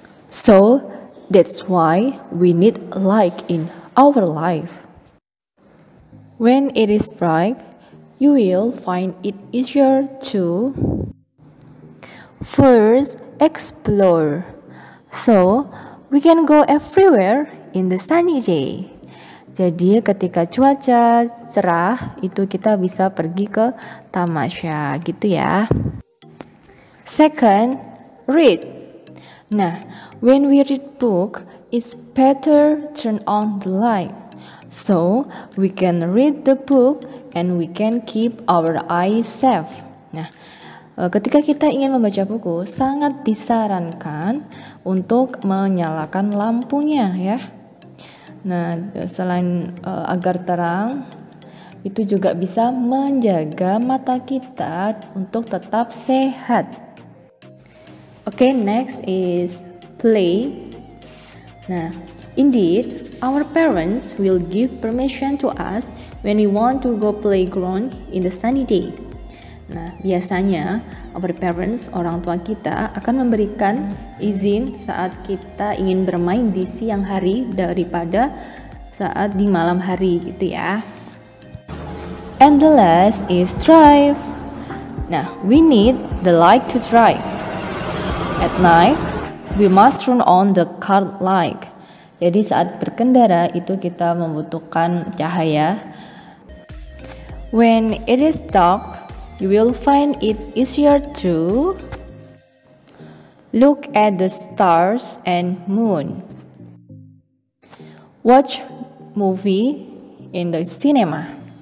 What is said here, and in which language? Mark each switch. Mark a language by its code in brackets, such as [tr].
[en] So, that's why we need light in our life. When it is bright, you will find it easier to first explore. So, we can go everywhere in the sunny day. [id] Jadi ketika cuaca cerah itu kita bisa pergi ke tamasya gitu ya. [en] Second, read. Nah, when we read book, it's better turn on the light. So, we can read the book and we can keep our eyes safe. [id] Nah, ketika kita ingin membaca buku, sangat disarankan untuk menyalakan lampunya ya. Nah, selain agar terang, itu juga bisa menjaga mata kita untuk tetap sehat. [en] Okay, next is play. Nah, indeed, our parents will give permission to us when we want to go playground in the sunny day. [id] Nah, biasanya [en] our parents, [id] orang tua kita akan memberikan izin saat kita ingin bermain di siang hari daripada saat di malam hari gitu ya. [en] And the last is drive. Nah, we need the light to drive. At night, we must turn on the car light. [id] Jadi saat berkendara itu kita membutuhkan cahaya. [en] When it is dark, you will find it easier to look at the stars and moon. Watch movie in the cinema.